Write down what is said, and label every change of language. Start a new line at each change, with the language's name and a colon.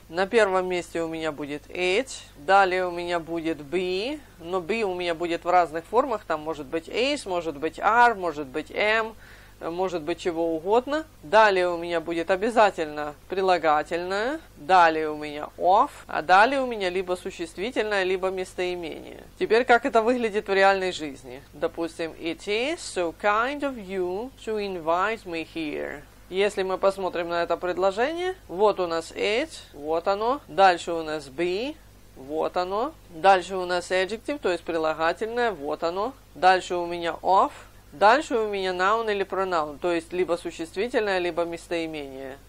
Russian: На первом месте у меня будет it, далее у меня будет be, но be у меня будет в разных формах, там может быть is, может быть are, может быть am, может быть чего угодно. Далее у меня будет обязательно прилагательное, далее у меня of, а далее у меня либо существительное, либо местоимение. Теперь как это выглядит в реальной жизни? Допустим,
English: it is so kind of you to invite me here.
Russian: Если мы посмотрим на это предложение, вот у нас it, вот оно, дальше у нас be, вот оно, дальше у нас adjective, то есть прилагательное, вот оно, дальше у меня of, дальше у меня noun или pronoun, то есть либо существительное, либо местоимение.